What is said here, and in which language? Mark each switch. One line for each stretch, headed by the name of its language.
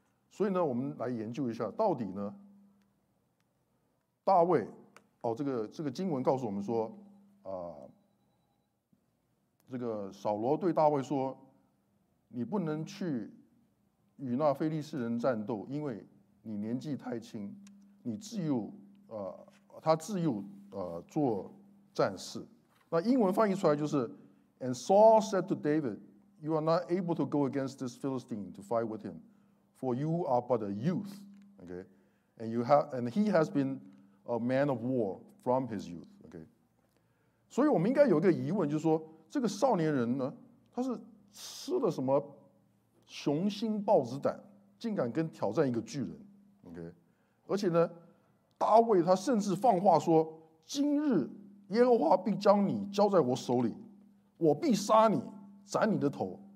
Chinese: 所以呢，我们来研究一下，到底呢，大卫，哦，这个经文告诉我们说，这个扫罗对大卫说，你不能去与那非利士人战斗，因为你年纪太轻，你自幼他自幼做战士。那英文翻译出来就是
English: And Saul said to David, You are not able to go against this Philistine to fight with him, for you are but a youth, okay? And he has been a man of war from his youth, okay?
Chinese: 所以我们应该有一个疑问，就是说这个少年人呢，他是吃了什么雄心豹子胆，竟敢跟挑战一个巨人 ，OK？而且呢，大卫他甚至放话说：“今日耶和华必将你交在我手里，我必杀你，斩你的头。